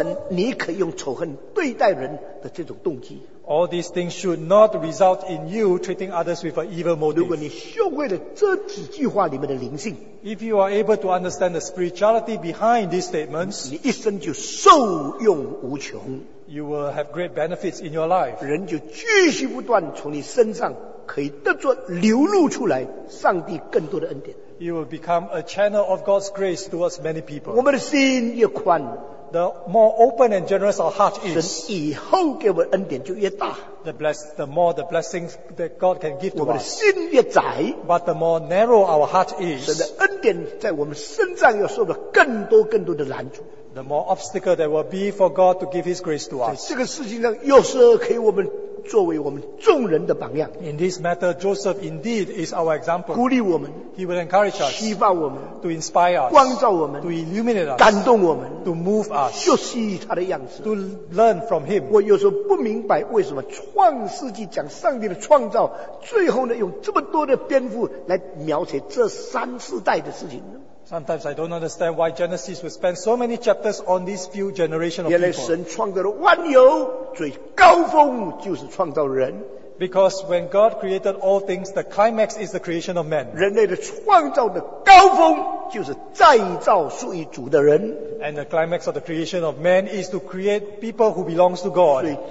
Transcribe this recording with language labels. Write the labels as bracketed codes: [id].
[zh] 这些都不足够构成你可以用仇恨对待人的这种动机。 [en] All these things should not result in you treating others with an evil motive. [zh] 如果你学会了这几句话里面的灵性, [en] if you are able to understand the spirituality behind these statements, [zh] 你一生就受用无穷。 [en] You will have great benefits in your life. [zh] 人就继续不断从你身上可以得着流露出来上帝更多的恩典。 [en] You will become a channel of God's grace towards many people. [zh] 我们的心越宽, [en] the more open and generous our heart is, [zh] 神以后给我们恩典就越大。 [en] The more the blessings that God can give to us. [zh] 我们的心越窄, [en] but the more narrow our heart is, [zh] 神的恩典在我们身上要受到更多更多的拦阻。 [en] The more obstacle there will be for God to give His grace to us. [zh] 这个事情上, 约瑟可以我们作为我们众人的榜样。 [en] In this matter, Joseph indeed is our example. [zh] 鼓励我们, [en] He will encourage us. [zh] 希望我们, [en] to inspire us. [zh] 光照我们, [en] to illuminate us. [zh] 感动我们, [en] to move us. [zh] 学习他的样子, [en] to learn from Him. [zh] 我有时候不明白为什么创世纪讲上帝的创造, 最后呢用这么多的篇幅来描写这三四代的事情。 [en] Sometimes I don't understand why Genesis would spend so many chapters on these few generations of people. [zh] 原来神创造了万有，最高峰就是创造人。 [en] Because when God created all things, the climax is the creation of man. [zh] 人类的创造的高峰就是再造属于主的人。 [en] And the climax of the creation of man is to create people who belongs to God.